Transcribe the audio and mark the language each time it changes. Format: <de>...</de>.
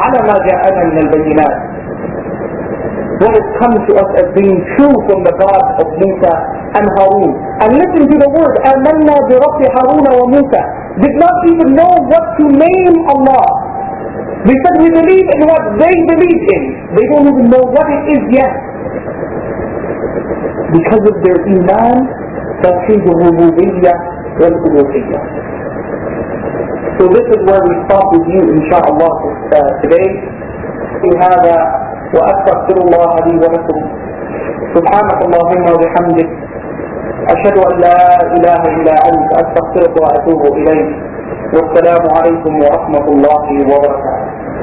<ar>عَلَى مَا جَاءَنَا مِنَ الْبَيِّنَةِ</ar> <en>What has come to us as being true from the God of Musa and Harun. And listen to the word,</en> <ar>أَمَنَّا بِرَبِّ هَارُونَ وَمُوسَى</ar> <en>Did not even know what to name Allah. They said we believe in what they believe in. They don't even know what it is yet. Because of their iman</en> <ar>توحيد الربوبية والألوهية.</ar> <en>So this is where we stop with you inshallah today.</en> <ar>بهذا وأستغفر الله لي ولكم. سبحانك اللهم وبحمدك. أشهد أن لا إله إلا أنت أستغفرك وأتوب إليك. والسلام عليكم ورحمة الله وبركاته.</ar>